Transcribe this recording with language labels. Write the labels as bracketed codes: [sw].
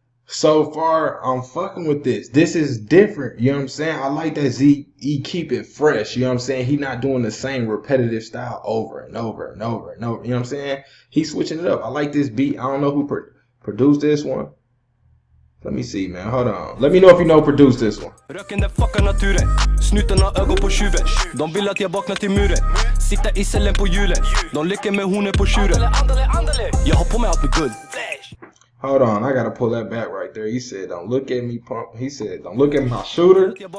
[en] So far, I'm fucking with this. This is different, you know what I'm saying? I like that Z keep it fresh, you know what I'm saying? He not doing the same repetitive style over and over and over and over, you know what I'm saying? He's switching it up. I like this beat. I don't know who produced this one. Let me see, man. Hold on. Let me know if you know produced this one. [sv] Röken den fucka naturen. Snutarna ögon på tjuven. De vill att jag vaknar till muren. Sitta i cellen på hjulen. De leker med honen på tjuren. Jag har på mig allt med guld. [en] Hold on, I gotta pull that back right there. He said, don't look at my shooter.